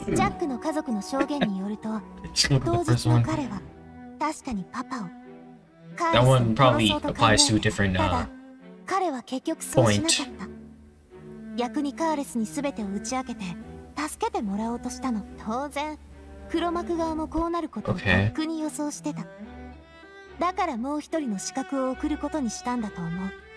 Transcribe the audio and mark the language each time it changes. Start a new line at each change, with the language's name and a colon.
Japanese: ジャックの家族の証言によると、当日の彼は確かにパパを。
English: That one probably applies to a different point.
Japanese: ただ、彼は結局そうしなかった。逆にカーレスに全てを打ち明けて、助けてもらおうとしたの。当然、黒幕側もこうなることをとっくに予想してた。だからもう一人の刺客を送ることにしたんだと思う。